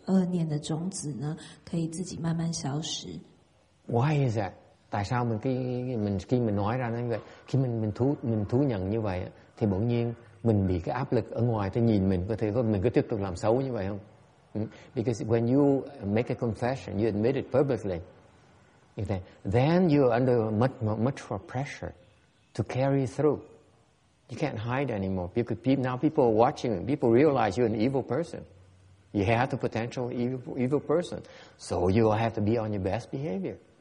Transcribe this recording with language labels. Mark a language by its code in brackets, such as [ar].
[zh] 所以当你能够看到你有这些问题的，然后你承认你有这些问题的时候，你其实就是能够让这些恶念的种子呢，可以自己慢慢消失。 [en] Why is that? [vi] Tại sao mình nói ra nó như vậy? Khi mình thú nhận như vậy thì bỗng nhiên mình bị cái áp lực ở ngoài tới nhìn mình, có thể mình cứ tiếp tục làm xấu như vậy không? [en] Because when you make a confession, you admit it publicly, okay, then you're under much more pressure to carry through. You can't hide anymore. Now people are watching, people realize you're an evil person. You have the potential evil person. So you have to be on your best behavior.